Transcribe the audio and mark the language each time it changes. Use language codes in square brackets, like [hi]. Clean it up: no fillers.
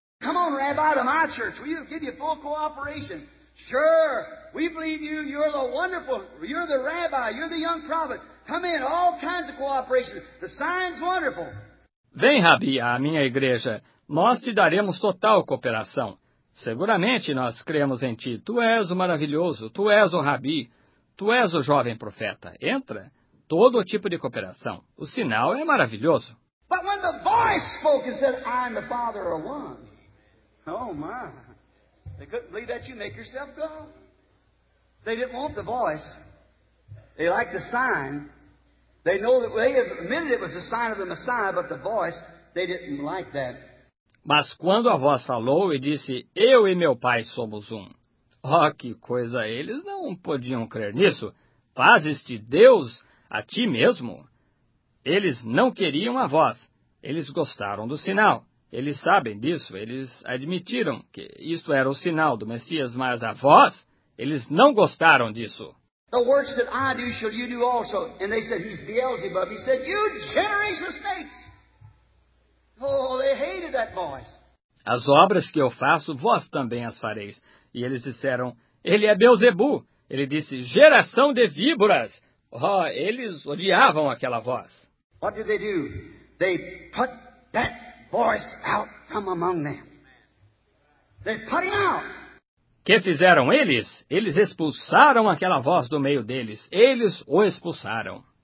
[en] Come on, Rabbi, to my church. We give you full cooperation. Sure, we believe you. You're the wonderful. You're the Rabbi. You're the young prophet. Come in. All kinds of cooperation. The sign's wonderful. [pt] Vem, Rabi, à minha igreja. Nós te daremos total cooperação. Seguramente nós cremos em ti. Tu és o maravilhoso. Tu és o Rabi. Tu és o jovem profeta. Entra. Todo tipo de cooperação. O sinal é maravilhoso. [en] But when the voice spoke and said, I and the Father are one. Oh, my. They couldn't believe that you make yourself God. They didn't want the voice. They liked the sign. They know that they admitted it was the sign of the Messiah, but the voice, they didn't like that. [pt] Mas quando a voz falou e disse, eu e meu pai somos um. Oh, que coisa, eles não podiam crer nisso. Fazes-te Deus a ti mesmo. Eles não queriam a voz. Eles gostaram do sinal. Eles sabem disso. Eles admitiram que isto era o sinal do Messias, mas a voz, eles não gostaram disso. [en] The works that I do shall you do also. And they said, he's Beelzebub. He said, you generation of snakes. Oh, they hated that voice. [pt] As obras que eu faço, vós também as fareis. E eles disseram, ele é Beelzebu. Ele disse, geração de víboras. Oh, eles odiavam aquela voz. [en] What did they do? They put that voice out from among them. They put it out. [pt] Que fizeram eles? Eles expulsaram aquela voz do meio deles. Eles o expulsaram.